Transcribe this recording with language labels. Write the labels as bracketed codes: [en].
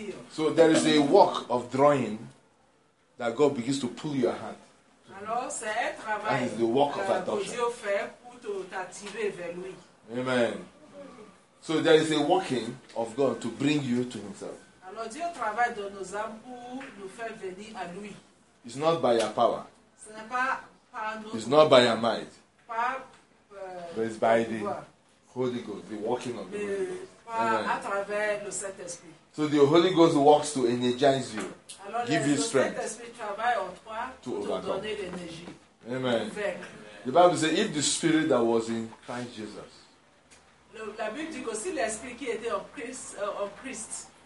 [en] So there is a work of drawing that God begins to pull your hand. That is the work of adoption. Amen. So there is a working of God to bring you to himself. [fr] Alors Dieu travaille dans nos âmes pour nous faire venir à lui. [en] It's not by your power. [fr] Ce n'est pas par nous. [en] It's not by your might. [fr] Par, [en] but it's by the Holy Ghost, the working of the Holy Ghost. [fr] Par, à travers le Saint-Esprit. [en] So the Holy Ghost works to energize you, [fr] alors, [en] give you strength. [fr] Le Saint-Esprit travaille en toi [en] to overcome. [fr] Donner l'énergie. Amen. [en] The Bible says, if the Spirit that was in Christ Jesus. [fr] La Bible dit que si l'Esprit qui était en Christ,